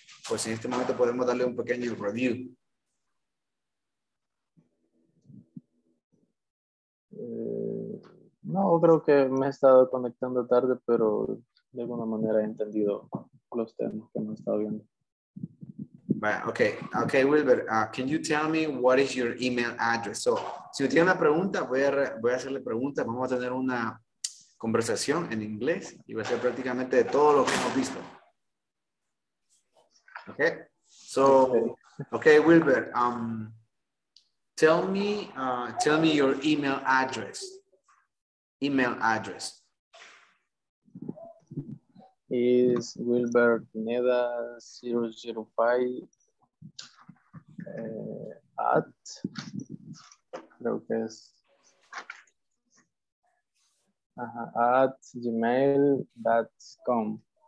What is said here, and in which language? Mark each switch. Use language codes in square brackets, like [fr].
[es] Pues en este momento podemos darle un pequeño review. No, creo que me he estado conectando tarde, pero de alguna manera he entendido los temas que me he estado viendo. [en] Okay, Wilbur, can you tell me what is your email address? [es] So, si usted tiene una pregunta, voy a hacerle pregunta. Vamos a tener una conversación en inglés y va a ser prácticamente de todo lo que hemos visto. [en] Okay, so, okay, Wilbur, tell me your email address. Email address. Is Wilbur Pineda 005 at, [es] creo que es, [en] at gmail.com.